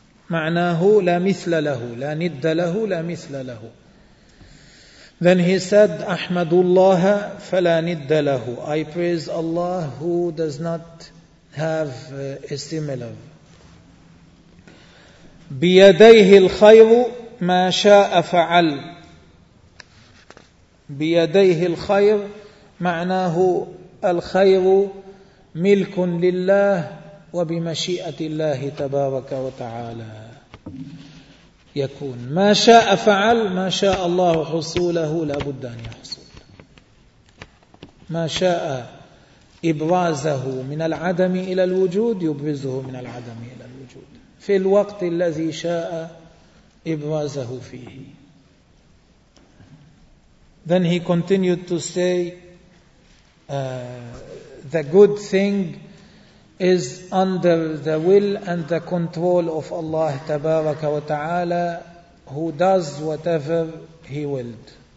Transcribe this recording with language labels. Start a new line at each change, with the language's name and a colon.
Arabic: معناه لا مثل له، لا ند له، لا مثل له.
English: Then he said,
Arabic: أحمد الله فلا ند له.
English: I praise Allah who does not have a similar.
Arabic: بيديه الخير ما شاء فعل. بيديه الخير معناه الخير ملك لله وبمشيئة الله تبارك وتعالى. يكون ما شاء فعل، ما شاء الله حصوله لا بد أن يحصل، ما شاء إبرازه من العدم إلى الوجود يبرزه من العدم إلى الوجود في الوقت الذي شاء إبرازه فيه.
English: Then he continued to say, the good thing is under the will and the control of Allah تبارك وتعالى, who does whatever He willed.